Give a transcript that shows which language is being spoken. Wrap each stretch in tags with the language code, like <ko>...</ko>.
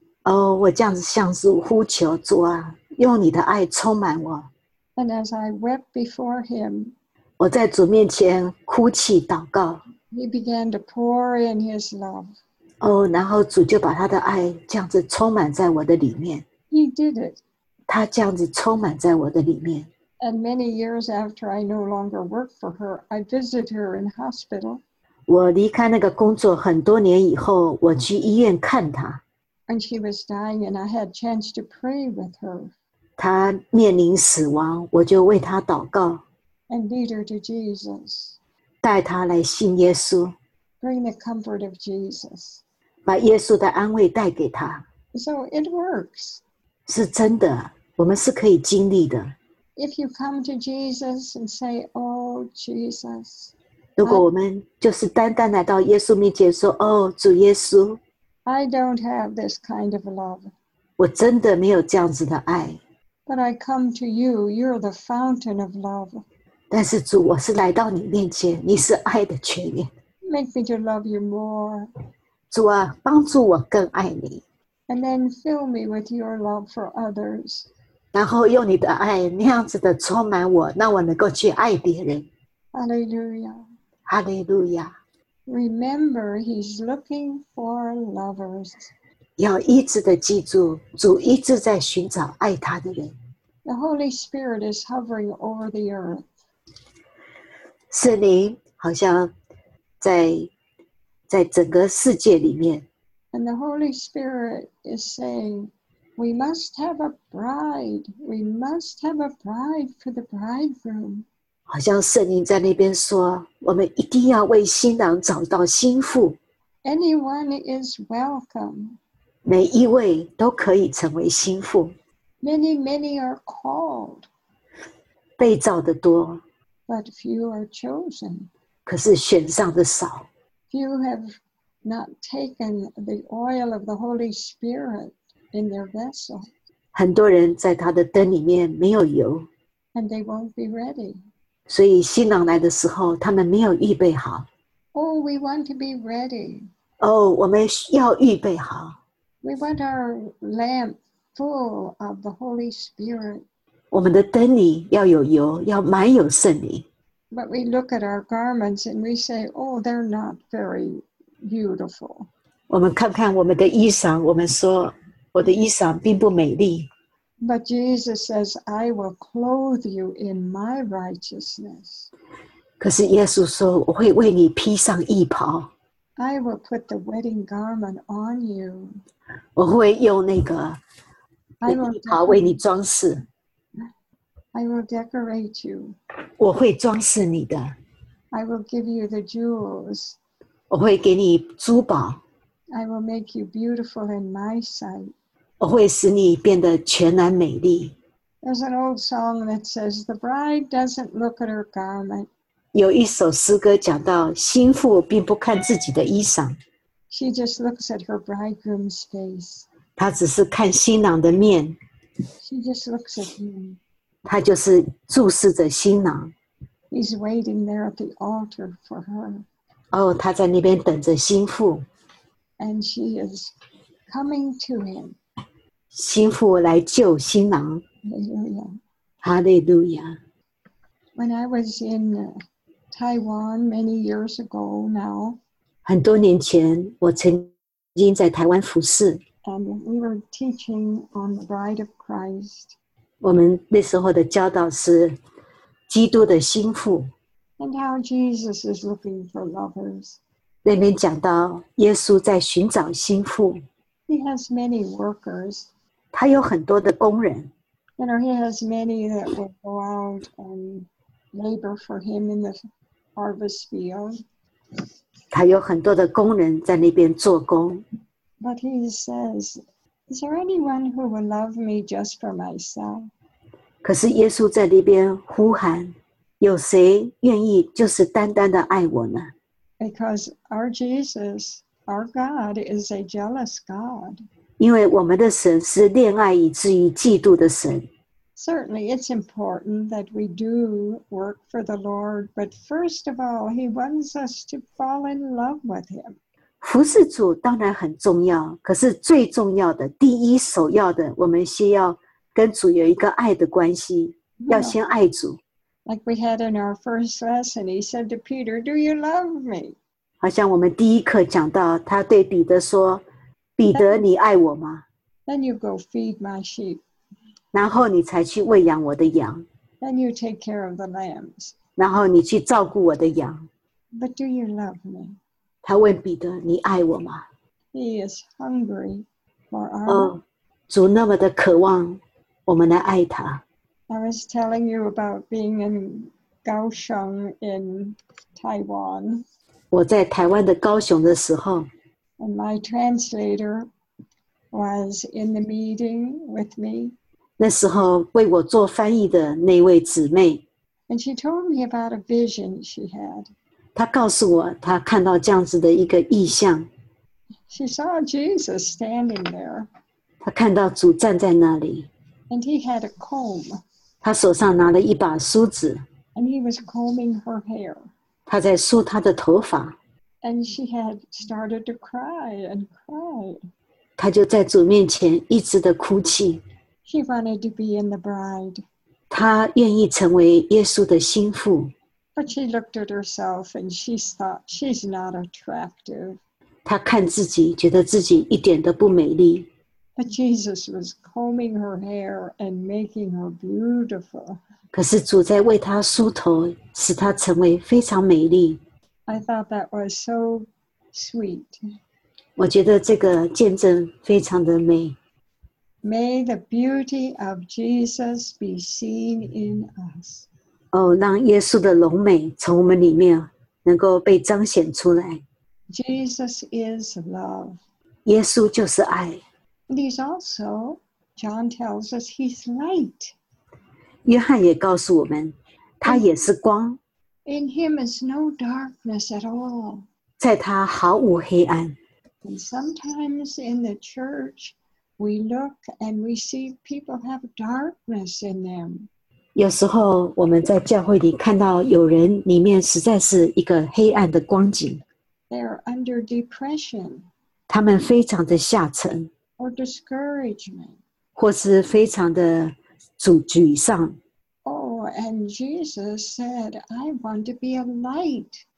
<zh>哦，我这样子向主呼求，主啊，用你的爱充满我。</zh> <en>And as I wept before him,</en> <zh>我在主面前哭泣祷告。</zh> <en>He began to pour in his love.</en> <zh>哦，然后主就把他的爱这样子充满在我的里面。</zh> <en>He did it.</en> <zh>他这样子充满在我的里面。</zh> <en>And many years after I no longer worked for her, I visited her in hospital.</en> <zh>我离开那个工作很多年以后，我去医院看她。</zh> <en>And she was dying, and I had a chance to pray with her.</en> <zh>她面临死亡，我就为她祷告。</zh> <en>And lead her to Jesus.</en> <zh>带她来信耶稣。</zh> <en>Bring the comfort of Jesus.</en> <zh>把耶稣的安慰带给她。</zh> <en>So it works.</en> <zh>是真的，我们是可以经历的。</zh> <en>If you come to Jesus and say, "Oh, Jesus,"</en> <zh>如果我们就是单单来到耶稣面前说，哦，主耶稣。</zh> <en>I don't have this kind of love.</en> <zh>我真的没有这样子的爱。</zh> <en>But I come to you. You're the fountain of love.</en> <zh>但是主，我是来到你面前，你是爱的泉源。</zh> <en>Make me to love you more.</en> <zh>主啊，帮助我更爱你。</zh> <en>And then fill me with your love for others.</en> <zh>然后用你的爱那样子的充满我，让我能够去爱别人。</zh> <en>Hallelujah. Hallelujah. Remember, he's looking for lovers.</en> <zh>要一直的记住，主一直在寻找爱他的人。</zh> <en>The Holy Spirit is hovering over the earth.</en> <zh>圣灵好像在整个世界里面。</zh> <en>And the Holy Spirit is saying, we must have a bride. We must have a bride for the bridegroom.</en> <zh>好像圣灵在那边说，我们一定要为新郎找到新妇。</zh> <en>Anyone is welcome.</en> <zh>每一位都可以成为新妇。</zh> <en>Many, many are called.</en> <zh>被召的多。</zh> <en>But few are chosen.</en> <zh>可是选上的少。</zh> <en>Few have not taken the oil of the Holy Spirit in their vessel.</en> <zh>很多人在他的灯里面没有油。</zh> <en>And they won't be ready.</en> <zh>所以新郎来的时候，他们没有预备好。</zh> <en>Oh, we want to be ready.</en> <zh>哦，我们要预备好。</zh> <en>We want our lamp full of the Holy Spirit.</en> <zh>我们的灯里要有油，要满有圣灵。</zh> <en>But we look at our garments and we say, oh, they're not very beautiful.</en> <zh>我们看看我们的衣裳，我们说我的衣裳并不美丽。</zh> <en>But Jesus says, I will clothe you in my righteousness.</en> <zh>可是耶稣说，我会为你披上义袍。</zh> <en>I will put the wedding garment on you.</en> <zh>我会用那个礼袍为你装饰。</zh> <en>I will decorate you.</en> <zh>我会装饰你的。</zh> <en>I will give you the jewels.</en> <zh>我会给你珠宝。</zh> <en>I will make you beautiful in my sight.</en> <zh>我会使你变得全然美丽。</zh> <en>There's an old song that says, the bride doesn't look at her garment.</en> <zh>有一首诗歌讲到，新妇并不看自己的衣裳。</zh> <en>She just looks at her bridegroom's face.</en> <zh>她只是看新郎的面。</zh> <en>She just looks at him.</en> <zh>她就是注视着新郎。</zh> <en>He's waiting there at the altar for her.</en> <zh>哦，她在那边等着新妇。</zh> <en>And she is coming to him.</en> <zh>新妇来救新郎。</zh> <en>Hallelujah. Hallelujah. When I was in Taiwan many years ago now,</en> <zh>很多年前我曾经在台湾服事。</zh> <en>And we were teaching on the Bride of Christ.</en> <zh>我们那时候的教导是基督的心腹。</zh> <en>And how Jesus is looking for lovers.</en> <zh>那边讲到耶稣在寻找心腹。</zh> <en>He has many workers.</en> <zh>他有很多的工人。</zh> <en>You know, he has many that will go out and labor for him in the harvest field.</en> <zh>他有很多的工人在那边做工。</zh> <en>But he says, is there anyone who will love me just for myself?</en> <zh>可是耶稣在那边呼喊，有谁愿意就是单单的爱我呢？</zh> <en>Because our Jesus, our God, is a jealous God.</en> <zh>因为我们的神是恋爱以至于嫉妒的神。</zh> <en>Certainly, it's important that we do work for the Lord, but first of all, he wants us to fall in love with him.</en> <zh>服侍主当然很重要，可是最重要的，第一首要的，我们先要跟主有一个爱的关系，要先爱主。</zh> <en>Like we had in our first lesson, he said to Peter, do you love me?</en> <zh>好像我们第一课讲到，他对彼得说，彼得你爱我吗？</zh> <en>Then you go feed my sheep.</en> <zh>然后你才去喂养我的羊。</zh> <en>Then you take care of the lambs.</en> <zh>然后你去照顾我的羊。</zh> <en>But do you love me?</en> <zh>他问彼得你爱我吗？</zh> <en>He is hungry for our love.</en> <zh>主那么的渴望我们来爱他。</zh> <en>I was telling you about being in Kaohsiung in Taiwan.</en> <zh>我在台湾的高雄的时候。</zh> <en>And my translator was in the meeting with me.</en> <zh>那时候为我做翻译的那位姊妹。</zh> <en>And she told me about a vision she had.</en> <zh>她告诉我她看到这样子的一个意象。</zh> <en>She saw Jesus standing there.</en> <zh>她看到主站在那里。</zh> <en>And he had a comb.</en> <zh>她手上拿了一把梳子。</zh> <en>And he was combing her hair.</en> <zh>她在梳她的头发。</zh> <en>And she had started to cry and cry.</en> <zh>她就在主面前一直的哭泣。</zh> <en>She wanted to be in the bride.</en> <zh>她愿意成为耶稣的心腹。</zh> <en>But she looked at herself and she thought she's not attractive.</en> <zh>她看自己觉得自己一点都不美丽。</zh> <en>But Jesus was combing her hair and making her beautiful.</en> <zh>可是主在为她梳头，使她成为非常美丽。</zh> <en>I thought that was so sweet.</en> <zh>我觉得这个见证非常的美。</zh> <en>May the beauty of Jesus be seen in us.</en> <zh>哦，让耶稣的荣美从我们里面能够被彰显出来。</zh> <en>Jesus is love.</en> <zh>耶稣就是爱。</zh> <en>And he's also, John tells us, he's light.</en> <zh>约翰也告诉我们，他也是光。</zh> <en>In him is no darkness at all.</en> <zh>在他毫无黑暗。</zh> <en>And sometimes in the church, we look and we see people have darkness in them.</en> <zh>有时候我们在教会里看到有人里面实在是一个黑暗的光景。</zh> <en>They're under depression.</en> <zh>他们非常的下沉。</zh> <en>Or discouragement.</en> <zh>或是非常的沮丧。</zh> <en>And Jesus said, I want to be a light.</en>